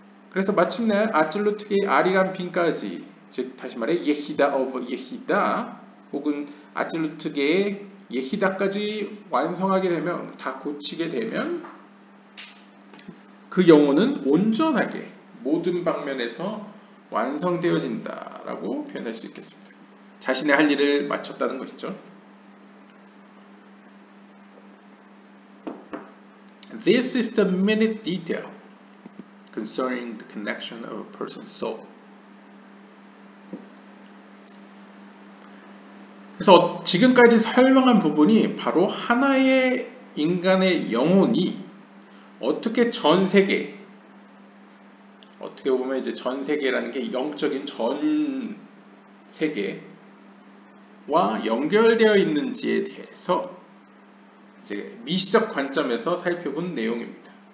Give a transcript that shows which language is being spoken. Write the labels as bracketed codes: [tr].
[ko] 그래서 마침내 아찔루트계의 아리간핀까지 즉 다시 말해 예히다 of 예히다 혹은 아질루트계의 예히다까지 완성하게 되면 다 고치게 되면 그 영혼은 온전하게 모든 방면에서 완성되어진다라고 표현할 수 있겠습니다. 자신의 할 일을 마쳤다는 것이죠. [en] This is the minute detail concerning the connection of a person's soul. [ko] 그래서 지금까지 설명한 부분이 바로 하나의 인간의 영혼이 어떻게 전 세계, 어떻게 보면 이제 전 세계라는 게 영적인 전 세계와 연결되어 있는지에 대해서 이제 미시적 관점에서 살펴본 내용입니다.